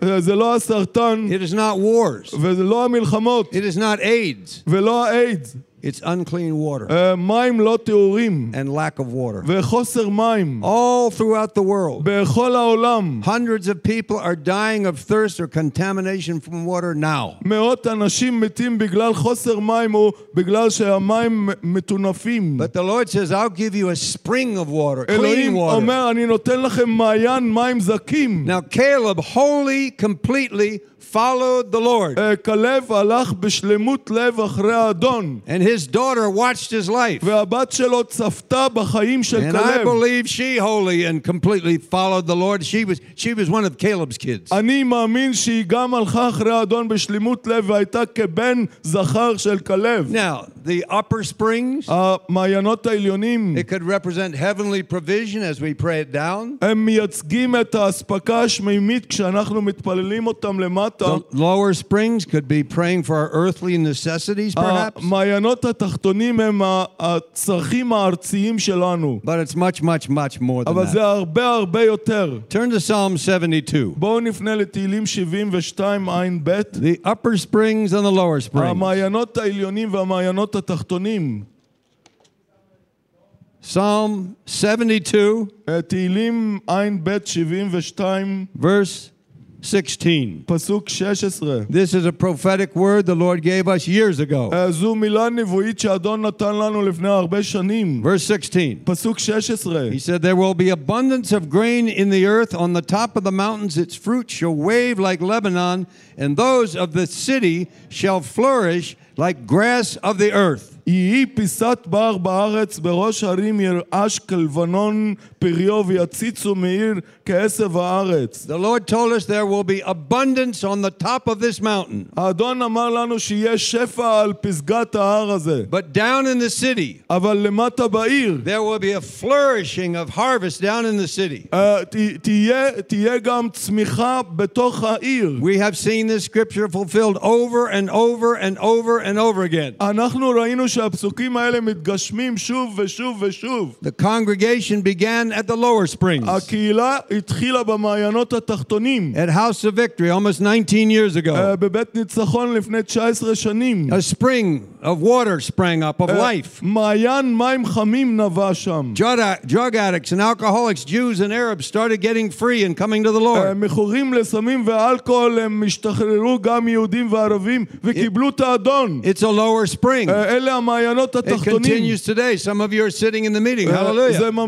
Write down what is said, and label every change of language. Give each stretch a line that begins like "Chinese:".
English: It is not wars. It is not AIDS. It's unclean water.
Hebrew: מים לא טהורים.
English: And lack of water.
Hebrew: וחוסר מים.
English: All throughout the world.
Hebrew: בכל העולם.
English: Hundreds of people are dying of thirst or contamination from water now.
Hebrew: מאות אנשים מתים בגלל חוסר מים או בגלל שהמים מטונפים.
English: But the Lord says, I'll give you a spring of water, clean water.
Hebrew: אלוהים אומר, אני נותן לכם מעיין מים זקים.
English: Now Caleb, holy, completely, followed the Lord.
Hebrew: Caleb הלך בשלמות לב אחרי האדון.
English: And his daughter watched his life.
Hebrew: והבת שלו צפתה בחיים של קלב.
English: And I believe she holy and completely followed the Lord. She was one of Caleb's kids.
Hebrew: אני מאמין שהיא גם הלכה אחרי האדון בשלמות לב והייתה כבן זכר של קלב.
English: Now, the upper springs,
Hebrew: המעיינות העליונים,
English: it could represent heavenly provision as we pray it down.
Hebrew: הם מייצגים את האספקה השמימית כשאנחנו מתפללים אותם למטה.
English: The lower springs could be praying for our earthly necessities, perhaps.
Hebrew: מעיינות התחתונים הם הצרכים הארציים שלנו.
English: But it's much, much, much more than
Hebrew: that. אבל זה הרבה, הרבה יותר.
English: Turn to Psalm 72.
Hebrew: בואו נפנה לתהילים 72, עין ב'.
English: The upper springs and the lower springs.
Hebrew: המעיינות העליונים והמעיינות התחתונים.
English: Psalm 72.
Hebrew: תהילים עין ב' 72.
English: Verse 16.
Hebrew: פסוק 16.
English: This is a prophetic word the Lord gave us years ago.
Hebrew: זו מילה נבואית שאדון נתן לנו לפני הרבה שנים.
English: Verse 16.
Hebrew: פסוק 16.
English: He said, there will be abundance of grain in the earth. On the top of the mountains, its fruit shall wave like Lebanon, and those of the city shall flourish like grass of the earth.
Hebrew: יהי פיסת בר בארץ בראש הרים ירעש כלבנון פריו ויציצו מאיר כעשב הארץ.
English: The Lord told us there will be abundance on the top of this mountain.
Hebrew: האדון אמר לנו שיש שפע על פסגת ההר הזה.
English: But down in the city,
Hebrew: אבל למטה בעיר,
English: there will be a flourishing of harvest down in the city.
Hebrew: תהיה גם צמיחה בתוך העיר.
English: We have seen this scripture fulfilled over and over and over and over again.
Hebrew: אנחנו ראינו שהפסוקים האלה מתגשמים שוב ושוב ושוב.
English: The congregation began at the lower springs.
Hebrew: הקהילה התחילה במעיינות התחתונים.
English: At House of Victory, almost 19 years ago.
Hebrew: בבית ניצחון לפני 19 שנים.
English: A spring of water sprang up, of life.
Hebrew: מעיין מים חמים נבע שם.
English: Drug addicts and alcoholics, Jews and Arabs started getting free and coming to the Lord.
Hebrew: מכורים לסמים ואלכוהול הם השתחררו גם יהודים וערבים וקיבלו את האדון.
English: It's a lower spring. It continues today. Some of you are sitting in the meeting. Hallelujah.